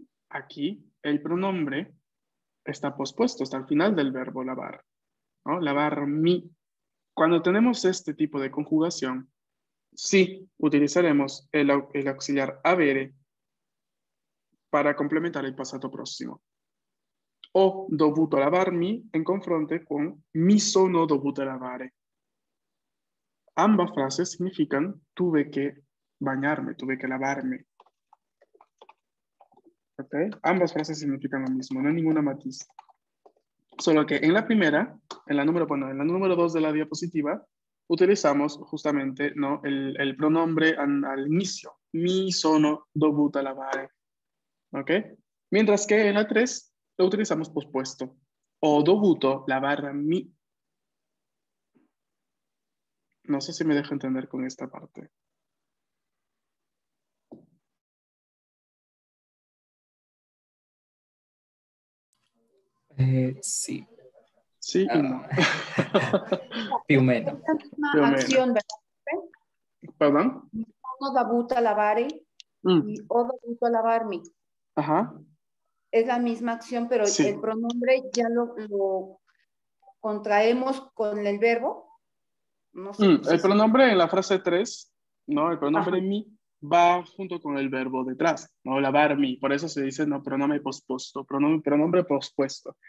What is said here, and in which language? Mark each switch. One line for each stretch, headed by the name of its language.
Spanish: Aquí el pronombre está pospuesto, está al final del verbo lavar, ¿no? Lavarmi. Cuando tenemos este tipo de conjugación, sí utilizaremos el auxiliar avere para complementar el pasado próximo.
Italian: Ho dovuto lavarmi
Spanish: en confronte con
Italian: mi sono dovuto lavare.
Spanish: Ambas frases significan tuve que bañarme, tuve que lavarme. Okay. Ambas frases significan lo mismo, no hay ninguna matiz. Solo que en la primera, en la número dos de la diapositiva, utilizamos justamente, ¿no?, el pronombre al inicio.
Italian: Mi sono dovuta lavare. ¿Okay?
Spanish: Mientras que en la tres lo utilizamos pospuesto.
Italian: O dovuto lavare mi.
Spanish: No sé si me dejo entender con esta parte. Sí. Sí y no.
Italian: Piumeno.
Spanish: Acción, ¿verdad? ¿Perdón?
Italian: No dovuto lavare y o dovuto lavarmi.
Spanish: Ajá. Es la misma acción, pero sí. El pronombre ya lo contraemos con el verbo. El pronombre en la frase 3, ¿no? El pronombre mi va junto con el verbo detrás, ¿no? Lavar mi, por eso se dice, ¿no?, pronombre pospuesto, pronombre pospuesto.